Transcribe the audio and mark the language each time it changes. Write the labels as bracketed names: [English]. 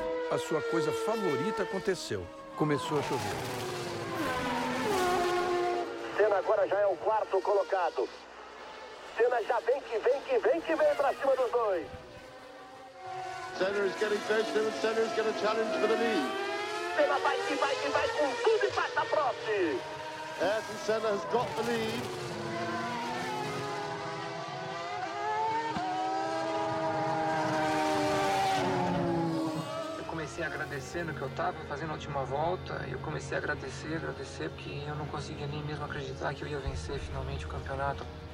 [Portuguese] A sua coisa favorita aconteceu. Começou a chover. Senna agora já é o quarto colocado. Senna já vem que vem, que vem, que vem para cima dos dois. [English] Senna is getting closer and Senna is going to challenge for the lead. [Portuguese] Senna vai, que vai, que vai com tudo e passa próximo. [English] Ayrton Senna has got the lead. [Portuguese] Comecei agradecendo que eu estava fazendo a última volta. Eu comecei a agradecer, porque eu não conseguia nem mesmo acreditar que eu ia vencer finalmente o campeonato.